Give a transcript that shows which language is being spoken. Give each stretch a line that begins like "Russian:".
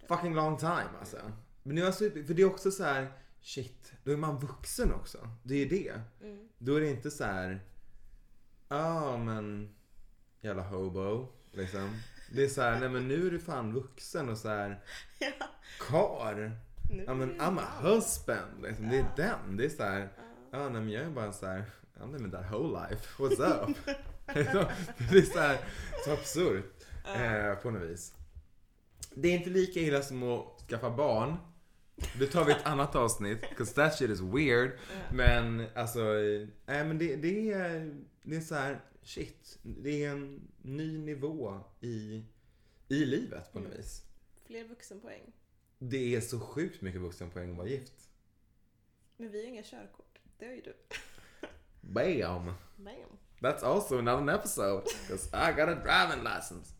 English: Då. Fucking long time alltså.
Swedish: Men nu är jag super, för det är också så här, shit, då är man vuxen också. Det är det. Mm. Då är det inte så här, ja, men jävla hobo, liksom. Det är så här, nej men nu är du fan vuxen och så här, ja. Kar. Ja men
English: I'm a husband
Swedish: liksom. Ja. Det är den. Det är så här, ja, ja nej, men jag är bara så här,
English: I'm living that whole life. What's up?
Swedish: Det är så här, så absurt på något vis. Det är inte lika illa som att skaffa barn. Det tar vi ett annat avsnitt,
English: 'cause that shit is weird.
Swedish: Ja. Men alltså, nej men det är så här, shit, det är en ny nivå i livet på något vis. Fler vuxenpoäng. Det är så sjukt mycket vuxenpoäng att vara gift. Men vi har inga körkort, det har ju du. Bam. Bam.
English: That's also another episode, 'cause I got a driving license.